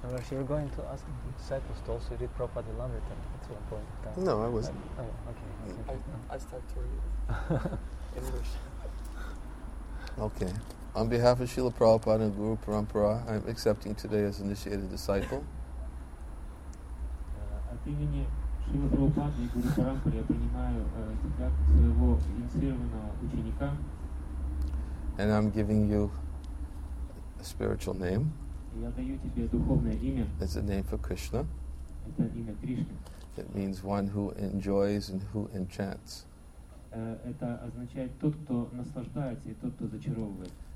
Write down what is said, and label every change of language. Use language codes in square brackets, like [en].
[en] You were going to ask the disciples to also read Prabhupada Lamrita at one point of time. No, I wasn't. Okay. I started to read English. Okay. On behalf of Srila Prabhupada and Guru Parampara, I'm accepting today as initiated disciple. [ru] От имени Шрилы Прабхупады и Гуру Парампары я принимаю тебя как своего инициированного ученика. [en] And I'm giving you a spiritual name. [ru] Я даю тебе духовное имя. [en] It's a name for Krishna. [ru] Это имя Кришны. [en] It means one who enjoys and who enchants. [ru] Это означает тот, кто наслаждается и тот, кто зачаровывает.